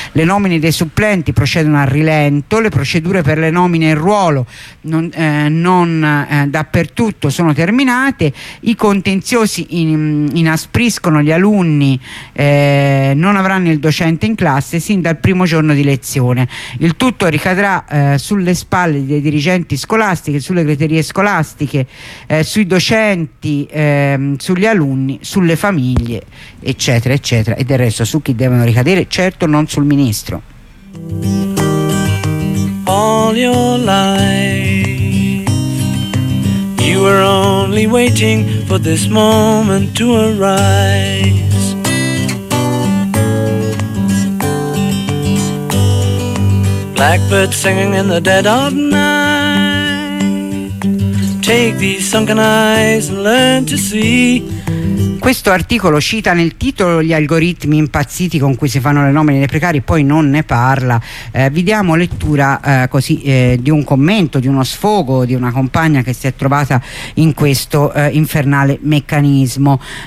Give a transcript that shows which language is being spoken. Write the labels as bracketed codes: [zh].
[it] Le nomine dei supplenti procedono a rilento, le procedure per le nomine in ruolo non dappertutto sono terminate, i contenziosi inaspriscono, gli alunni non avranno il docente in classe sin dal primo giorno di lezione. Il tutto ricadrà sulle spalle dei dirigenti scolastici, sulle segreterie scolastiche, sui docenti, sugli alunni, sulle famiglie, eccetera eccetera, e del resto su chi devono ricadere? Certo non sul ministro. [en] All your life you were only waiting for this moment to arise. Black blackbird singing in the dead of night. Take these sunken eyes and learn to see. [it] Questo articolo cita nel titolo gli algoritmi impazziti con cui si fanno le nomine dei precari, poi non ne parla. Vi diamo lettura così di un commento, di uno sfogo di una compagna che si è trovata in questo infernale meccanismo.